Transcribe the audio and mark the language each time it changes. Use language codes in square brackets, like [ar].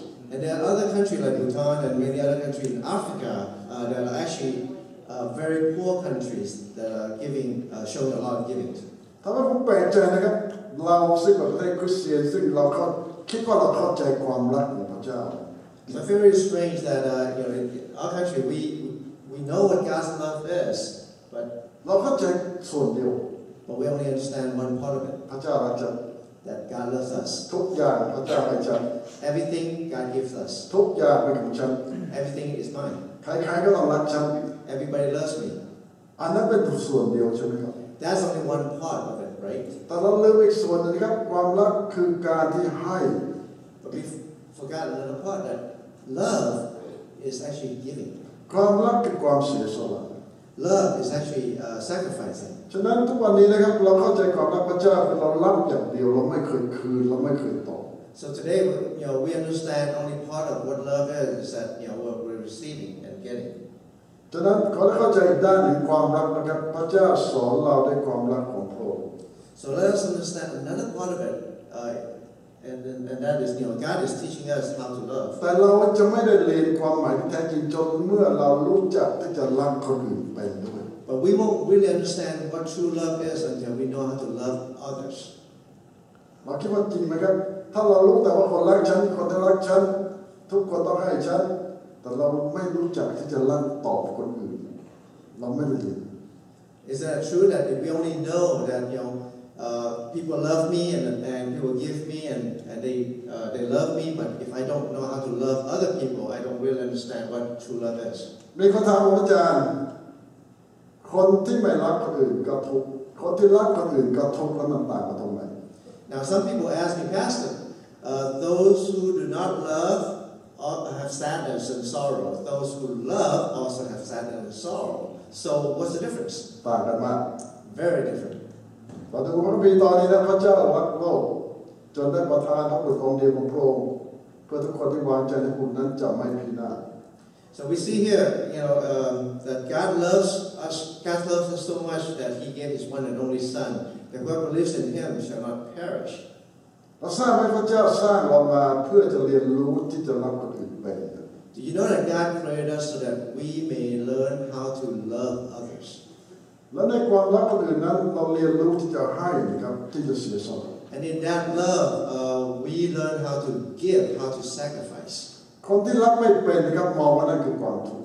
[en] And there are other countries like Bhutan and many other countries in Africa that are actually. Very poor countries that are giving, showing a lot of giving to. [th] ถ้าว่าผมแปลใจนะครับเราซึ่งเป็นประเทศคริสเตียนซึ่งเราก็คิดว่าเราเข้าใจความรักของพระเจ้า [en] I feel very strange that you know, in our country we know what God's love is, but [th] เราเข้าใจส่วนเดียว [en] but we only understand one part of it. [th] พระเจ้ารักเรา [en] that God loves us. [th] ทุกอย่างพระเจ้าให้ฉัน [en] everything God gives us. [th] ทุกอย่างเป็นของฉัน [en] everything is mine. [th] ใครๆก็ต้องรักฉัน [en] Everybody loves me. [th] อันนั้นเป็นส่วนเดียวใช่ไหมครับ [en] That's only one part of it, right? [th] ตอนเราเลือกอีกส่วนนึงครับความรักคือการที่ให้ [en] But we forgot another part that love is actually giving. [th] ความรักคือความเสียสละ [en] Love is actually sacrificing. [th] ฉะนั้นทุกวันนี้นะครับเราเข้าใจความรักพระเจ้าคือเรารักอย่างเดียวเราไม่เคยคืนเราไม่เคยตอบ [en] So today, you know, we understand only part of what love is that you know we're receiving and getting. [th] ฉะนั้นขอให้เข้าใจอีกด้านหนึ่งความรักนะครับพระเจ้าสอนเราด้วยความรักของพระองค์ [en] So let us understand another part of it, and that is, you know, God is teaching us how to love. [th] แต่เราจะไม่ได้เรียนความหมายแท้จริงจนเมื่อเรารู้จักที่จะรักคนอื่นไปด้วย [en] But we won't really understand what true love is until we know how to love others. [th] มาคิดว่าจริงไหมครับถ้าเรารู้แต่ว่าคนรักฉันคนที่รักฉันทุกคนต้องให้ฉันแต่เราไม่รู้จักที่จะรักตอบคนอื่นเราไม่ได้เรียน [en] Is that true that if we only know that you know people love me and people give me and they love me but if I don't know how to love other people I don't really understand what true love is [th] มีคำถามของอาจารย์คนที่ไม่รักคนอื่นก็ทุกคนที่รักคนอื่นก็ทุกแล้วมันต่างกันตรงไหน [en] Now some people ask me pastor those who do not loveHave sadness and sorrow. Those who love also have sadness and sorrow. So, what's the difference? [th] ต่างกันมาก [en] Very different. [th] ปัจจุบันมีตอนนี้นะพระเจ้ารักโลกจนได้ประทานพระบุตรองค์เดียวของพระองค์เพื่อทุกคนที่วางใจในพระองค์นั้นจะไม่พินาศ [en] So we see here, you know, that God loves us. God loves us so much that He gave His one and only Son. That whoever lives in Him shall not perish. [th] เราสร้างให้พระเจ้าสร้างเรามาเพื่อจะเรียนรู้ที่จะรักคนอื่นไป [en] Do you know that God created us so that we may learn how to love others? [th] และในความรักคนอื่นนั้นเราเรียนรู้ที่จะให้นะครับที่จะเสียสละ [en] And in that love, we learn how to give, how to sacrifice. [th] คนที่รักไม่เป็นนะครับมองว่านั่นคือความทุกข